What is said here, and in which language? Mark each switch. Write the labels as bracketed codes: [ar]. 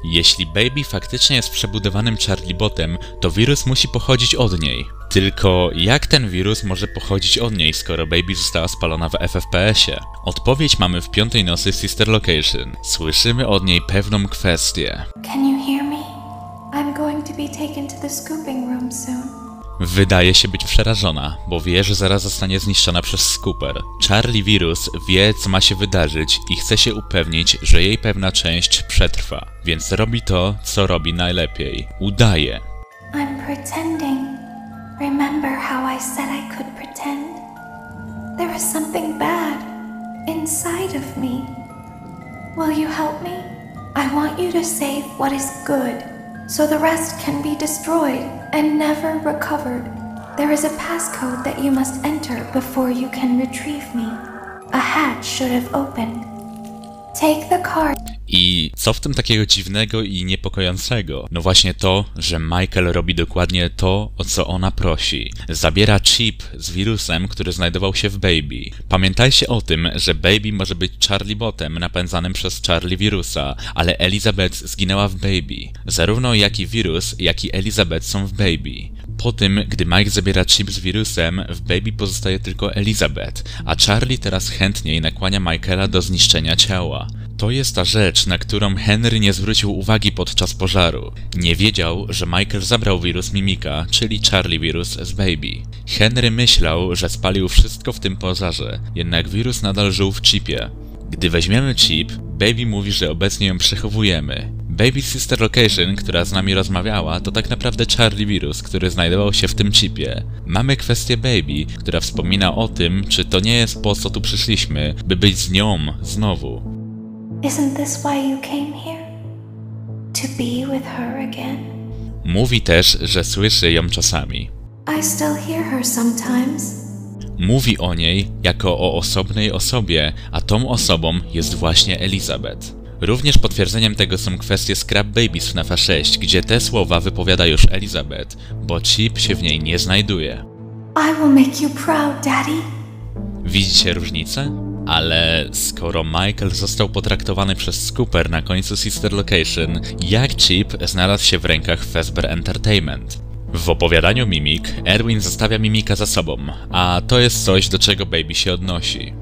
[pl] Jeśli Baby faktycznie jest przebudowanym Charlie-botem, to wirus musi pochodzić od niej. Tylko jak ten wirus może pochodzić od niej, skoro Baby została spalona w FFPS-ie? Odpowiedź mamy w piątej nocy Sister Location. Słyszymy od niej pewną kwestię. [en] Can you hear me? I'm going to be taken to the scooping room soon. [pl] Wydaje się być przerażona, bo wie, że zaraz zostanie zniszczona przez Scooper. Charlie Virus wie, co ma się wydarzyć i chce się upewnić, że jej pewna część przetrwa. Więc robi to, co robi najlepiej. Udaje. [en] I'm pretending. Remember how I said I could pretend? There is something bad inside of me. Will you help me? I want you to save what is good. So the rest can be destroyed and never recovered. There is a passcode that you must enter before you can retrieve me. A hatch should have opened. Take the card. [pl] I co w tym takiego dziwnego i niepokojącego? No właśnie to, że Michael robi dokładnie to, o co ona prosi. Zabiera chip z wirusem, który znajdował się w Baby. Pamiętajcie o tym, że Baby może być Charlie-botem napędzanym przez Charlie Wirusa, ale Elizabeth zginęła w Baby. Zarówno jak i wirus, jak i Elizabeth są w Baby. Po tym, gdy Mike zabiera chip z wirusem, w Baby pozostaje tylko Elizabeth, a Charlie teraz chętniej nakłania Michaela do zniszczenia ciała. To jest ta rzecz, na którą Henry nie zwrócił uwagi podczas pożaru. Nie wiedział, że Michael zabrał wirus Mimika, czyli Charlie Virus z Baby. Henry myślał, że spalił wszystko w tym pożarze, jednak wirus nadal żył w chipie. Gdy weźmiemy chip, Baby mówi, że obecnie ją przechowujemy. Baby Sister Location, która z nami rozmawiała, to tak naprawdę Charlie Virus, który znajdował się w tym chipie. Mamy kwestię Baby, która wspomina o tym, czy to nie jest po co tu przyszliśmy, by być z nią znowu. [en] Isn't this why you came here? To be with her again? [pl] Mówi też, że słyszy ją czasami. [en] I still hear her sometimes. [pl] Mówi o niej jako o osobnej osobie, a tą osobą jest właśnie Elizabeth. Również potwierdzeniem tego są kwestie Scrap Babies w NAFA 6, gdzie te słowa wypowiada już Elizabeth, bo chip się w niej nie znajduje. [en] I will make you proud, Daddy. [pl] Widzicie różnicę? Ale skoro Michael został potraktowany przez Scooper na końcu Sister Location, jak chip znalazł się w rękach Fazbear Entertainment? W opowiadaniu Mimik, Erwin zostawia Mimika za sobą, a to jest coś, do czego Baby się odnosi.